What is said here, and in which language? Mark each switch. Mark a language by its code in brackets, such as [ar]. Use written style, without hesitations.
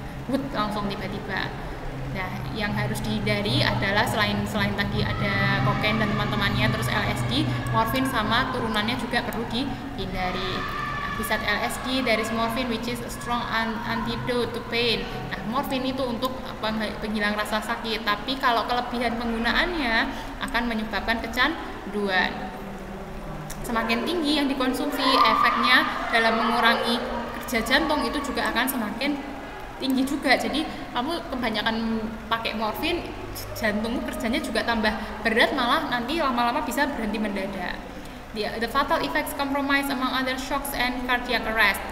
[id] Wut langsung tiba-tiba. Nah, yang harus dihindari adalah selain tadi ada kokain dan teman-temannya, terus LSD, morfin sama turunannya juga perlu dihindari. Bisa [en] LSD, there is morphine which is a strong antidote to pain. [id] Nah, morfin itu untuk penghilang rasa sakit, tapi kalau kelebihan penggunaannya akan menyebabkan kecanduan. Semakin tinggi yang dikonsumsi, efeknya dalam mengurangi kerja jantung itu juga akan semakin tinggi juga. Jadi kamu kebanyakan pakai morfin, jantungmu kerjanya juga tambah berat, malah nanti lama-lama bisa berhenti mendadak. [en] The fatal effects compromise among other shocks and cardiac arrest.